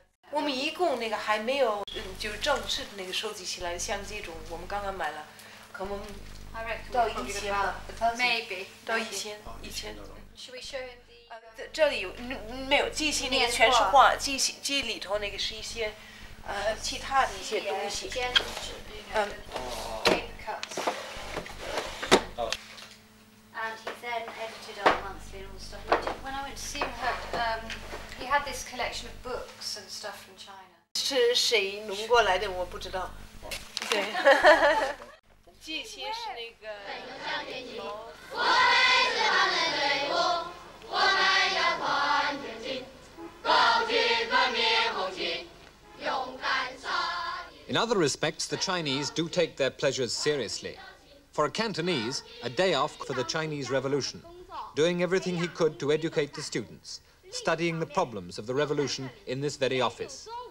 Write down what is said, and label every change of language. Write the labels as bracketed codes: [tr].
[zh] 我们一共那个还没有就是正式的那个收集起来，像这种我们刚刚买了，可能。到1000吧 [en] maybe [zh] 到1000。这里有没有这些那个全是画，这里头那个是一些其他的一些东西。 [en] And he then edited our monthly and all the stuff. When I went to see him, he had this collection of books and stuff from China. [zh] 是谁弄过来的？我不知道。对。这些是那个。我们是汉人队伍，我们要团结心，高举团结红旗，勇敢杀敌。 [en] In other respects, the Chinese do take their pleasures seriously. For a Cantonese, a day off for the Chinese Revolution, doing everything he could to educate the students, studying the problems of the revolution in this very office.